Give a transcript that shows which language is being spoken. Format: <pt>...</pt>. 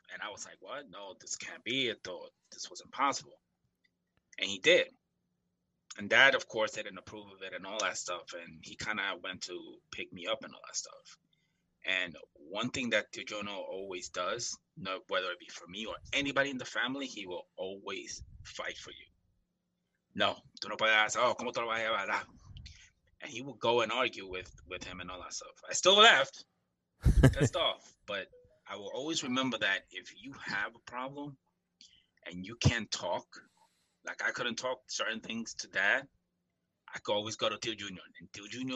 <en>And I was like, what? No, this can't be. I thought this was impossible. And he did. And Dad, of course, didn't approve of it and all that stuff. And he kind of went to pick me up and all that stuff. And one thing that Teojuno always does, whether it be for me or anybody in the family, he will always fight for you.</en> <es>No, tú no puedes hacer, oh, ¿cómo te lo vas a llevar?</es> <en>And he would go and argue with him and all that stuff. I still left, pissed off. But I will always remember that if you have a problem and you can't talk, like I couldn't talk certain things to Dad, I could always go to Teo Jr. And Teo Jr.</en>